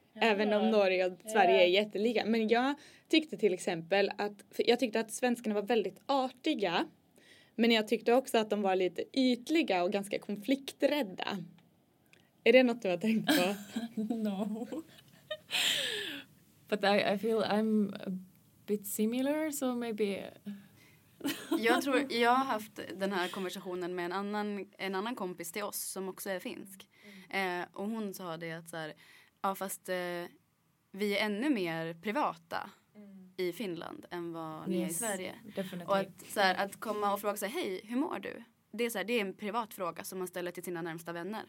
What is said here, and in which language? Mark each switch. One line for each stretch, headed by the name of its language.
Swedish: Även om Norge och Sverige är jättelika. Men jag tyckte till exempel att, jag tyckte att svenskarna var väldigt artiga. Men jag tyckte också att de var lite ytliga och ganska konflikträdda. Är det något du har tänkt på?
English: No. But I feel I'm a bit similar, so maybe.
Swedish: Jag tror, jag har haft den här konversationen med en annan kompis till oss som också är finsk. Mm. Och hon sa det att så här, ja, fast vi är ännu mer privata i Finland än vad ni är i Sverige.
English: Definitely.
Swedish: Och att, så här, att komma och fråga sig, hej, hur mår du? Det är, så här, det är en privat fråga som man ställer till sina närmsta vänner.